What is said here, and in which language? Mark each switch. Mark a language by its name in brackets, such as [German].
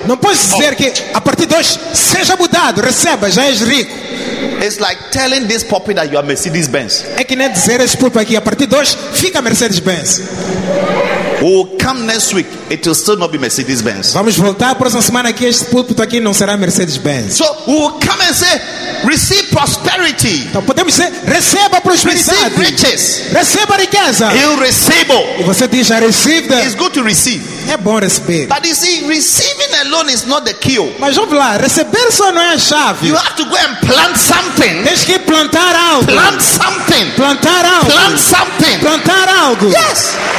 [Portuguese] Não posso dizer que a partir de hoje seja mudado, receba, já és rico. [English] It's like telling this puppy that you are Mercedes Benz. [Portuguese] É que nem dizer esse puppy aqui, a partir de hoje fica Mercedes Benz. [English] Oh, come next week, it will still not be Mercedes Benz. [Portuguese] Vamos voltar para essa semana que este púlpito aqui não será Mercedes Benz. [English] So we will come and say, receive prosperity. [Portuguese] Então podemos dizer, receba prosperidade. [English] Receive riches. [Portuguese] Receba riqueza. [English] You receive. [Portuguese] E você diz, [English] I receive them. It's good to receive. [Portuguese] É bom receber. [English] But you see, receiving alone is not the key. [Portuguese] Mas ouve lá, receber só não é a chave. [English] You have to go and plant something. [Portuguese] Tens que plantar algo. [English] Plant something. [Portuguese] Plantar algo. [English] Plant something. [Portuguese] Plantar algo. [English] Yes.